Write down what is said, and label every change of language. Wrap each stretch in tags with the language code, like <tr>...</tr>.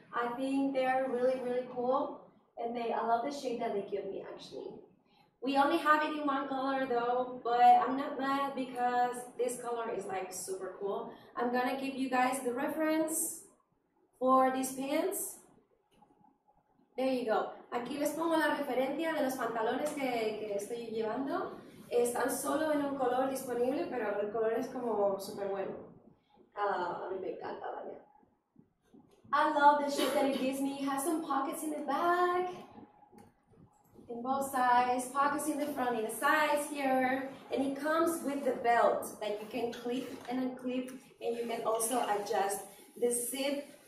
<en>I think they're really, really cool. And I love the shape that they give me, actually. We only have it in one color, though, but I'm not mad because this color is like super cool. I'm gonna give you guys the reference for these pants. There you go.</en> <es>Aquí les pongo la referencia de los pantalones que estoy llevando. Están solo en un color disponible, pero el color es como súper bueno. A mí me encanta, vaya.</es> <en>I love the shape that it gives me. It has some pockets in the back, in both sides, pockets in the front, in the sides here. And it comes with the belt that you can clip and unclip, and you can also adjust the zip.</en>